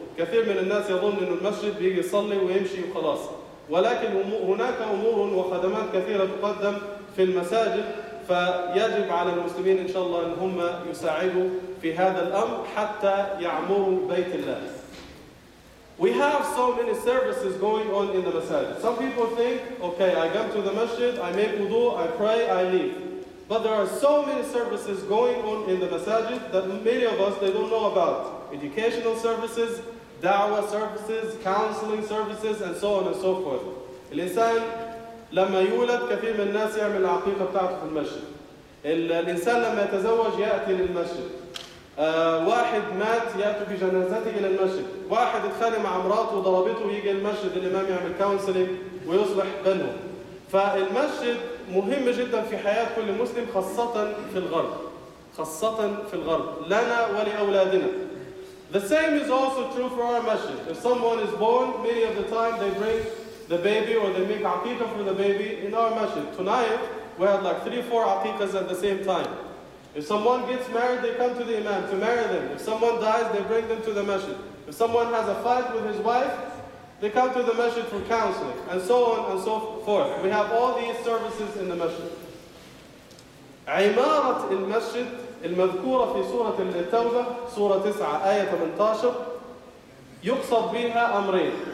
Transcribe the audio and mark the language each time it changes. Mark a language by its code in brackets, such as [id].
[ar] كثير من الناس يظن أن المسجد بيجي يصلي ويمشي وخلاص، ولكن هناك أمور وخدمات كثيرة تقدم في المساجد. فيجب على المسلمين إن شاء الله أن هم يساعدوا في هذا الأمر حتى يعمروا بيت الله. [en] We have so many services going on in the masjid. Some people think, okay, I come to the masjid, I make wudu, I pray, I leave. But there are so many services going on in the masjid that many of us, they don't know about. Educational services, da'wah services, counseling services, and so on and so forth. [ar] الإنسان لما يولد كثير من الناس يعمل العقيقة بتاعته في المسجد. الإنسان لما يتزوج يأتي للمسجد. واحد مات يأتي بجنازته إلى المسجد. واحد اتخانق مع امراته وضربته يجي المسجد الإمام يعمل كونسلينج ويصلح بينهم. فالمسجد مهم جدا في حياة كل مسلم، خاصة في الغرب. خاصة في الغرب لنا ولأولادنا. [en] The same is also true for our masjid. If someone is born, many of the time they bring the baby or they make aqiqah for the baby in our masjid. Tonight, we had like 3-4 aqiqahs at the same time. If someone gets married, they come to the imam to marry them. If someone dies, they bring them to the masjid. If someone has a fight with his wife, They come to the masjid for counseling, and so on and so forth. We have all these services in the masjid. [ar] عمارة المسجد المذكورة في سورة التوبة سورة 9 آية 18 يقصد بها أمرين.